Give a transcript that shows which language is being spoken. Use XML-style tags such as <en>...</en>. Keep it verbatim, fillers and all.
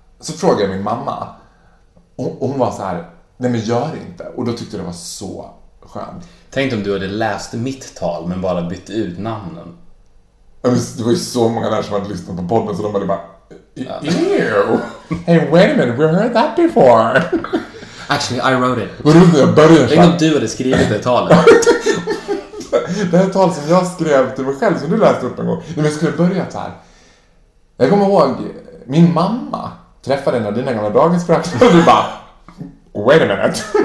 <sv>Så frågade jag min mamma. Och, och hon var så här. Nej, men gör inte. Och då tyckte jag det var så skönt. Tänk om du hade läst mitt tal men bara bytt ut namnen. Det var ju så många där som hade lyssnat på podden så de hade bara ew.</sv> <en>Hey, wait a minute, we heard that before. Actually, I wrote it.</en> <sv>Vad roligt, jag började. Tänk om du hade skrivit det talet. Det här tal som jag skrev till mig själv som du läste upp en gång. Nej, men jag skulle börja så här. Jag kommer ihåg, min mamma träffade en av dina gamla dagens och du bara</sv> <en>wait a minute.</en>